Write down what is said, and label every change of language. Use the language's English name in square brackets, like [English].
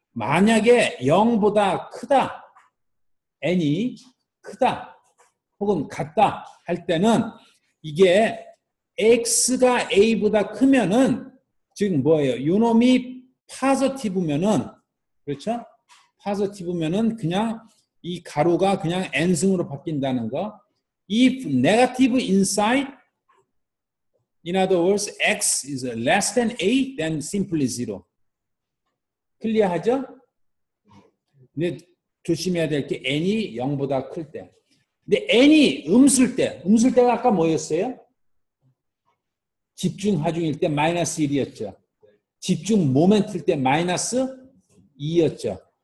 [Korean] 만약에 0보다 크다, N이 크다, 혹은 같다 할 때는 이게 X가 A보다 크면은 즉 뭐예요? 요놈이 파저티브면은 그렇죠? 파저티브면은 그냥 이 가로가 그냥 N승으로 바뀐다는 거. [English] If negative inside In other words, x is less than a, then simply zero. [Korean] 클리어하죠? 근데 조심해야 될 게 n이 0보다 클 때. 근데 n이 음수일 때, 음수일 때가 아까 뭐였어요? 집중 하중일 때 마이너스 1이었죠. 집중 모멘트일 때 마이너스 2였죠.